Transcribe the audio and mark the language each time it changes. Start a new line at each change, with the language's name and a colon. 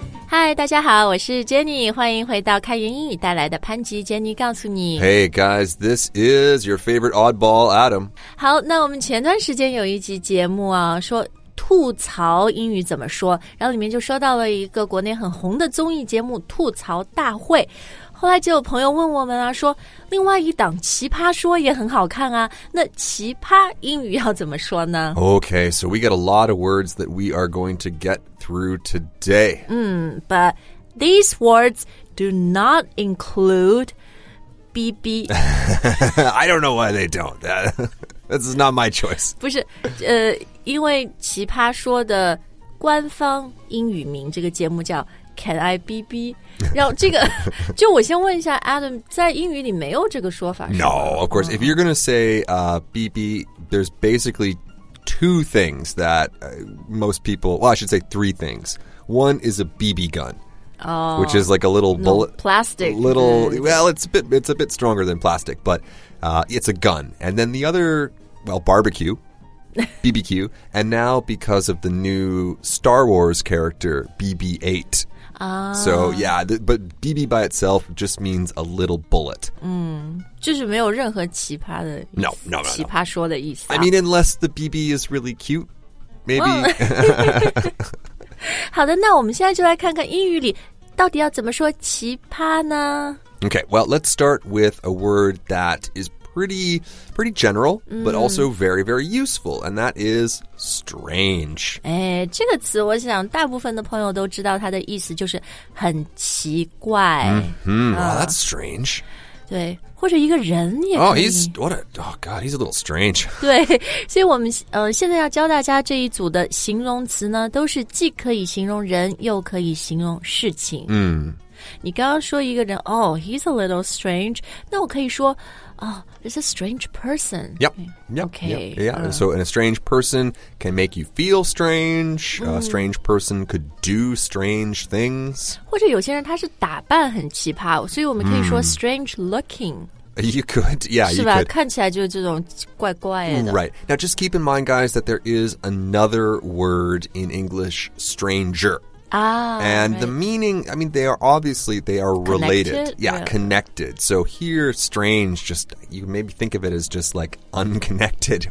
Chinese: 嗨，大家好，我是 Jenny， 欢迎回到开源英语带来的潘吉 Jenny 告诉你。
English: Hey guys, this is your favorite oddball, Adam.
Chinese: 好，那我们前段时间有一集节目啊，说吐槽英语怎么说，然后里面就说到了一个国内很红的综艺节目《吐槽大会》。后来就有朋友问我们啊，说另外一档《奇葩说》也很好看啊，那奇葩英语要怎么说呢？
English: Okay, so we got a lot of words that we are going to get through today. But these words do not include BB. I don't know why they don't. This is not my choice.
Chinese: 不是，因为《奇葩说》的官方英语名，这个节目叫Can I BB? 然后这个就我先问一下 Adam, 在英语里没有这个说法是吗?
English: No, of course. If you're going to say BB, there's basically two things that most people, well, I should say three things. One is a BB gun. Oh, which is like a little bullet. No, plastic. Little, well, it's a bit stronger than plastic, but it's a gun. And then the other, well, barbecue. BBQ, and now because of the new Star Wars character, BB-8.、So, yeah, but BB by itself just means a little bullet.、
Chinese: 就是没有任何奇葩的意思。
English: No.
Chinese: 奇葩说的意思、
English: 啊。I mean, unless the BB is really cute, maybe.
Chinese: 好的，那我们现在就来看看英语里到底要怎么说奇葩呢？
English: Okay, well, let's start with a word that is pretty general, but also very, very useful, and that is strange.
Chinese: 哎，这个词我想大部分的朋友都知道它的意思，就是很奇怪。
English: That's strange.
Chinese: 对，或者一个人也可以。
English: He's a little strange.
Chinese: 对，所以我们现在要教大家这一组的形容词呢，都是既可以形容人，又可以形容事情。你刚刚说一个人，
English: he's a little strange.
Chinese: 那我可以说，
English: it's a strange person. Yep. So, and a strange person can make you feel strange. A strange person could do strange things.
Chinese: 或者有些人他是打扮很奇葩，所以我们可以说
English: strange looking. You could, yeah, you could.
Chinese: 是吧？看起来就是这种怪怪的。
English: Right. Now, just keep in mind, guys, that there is another word in English, stranger. And the meaning, I mean, they are related. Connected? Yeah, connected. So here, strange, just, you maybe think of it as just like unconnected.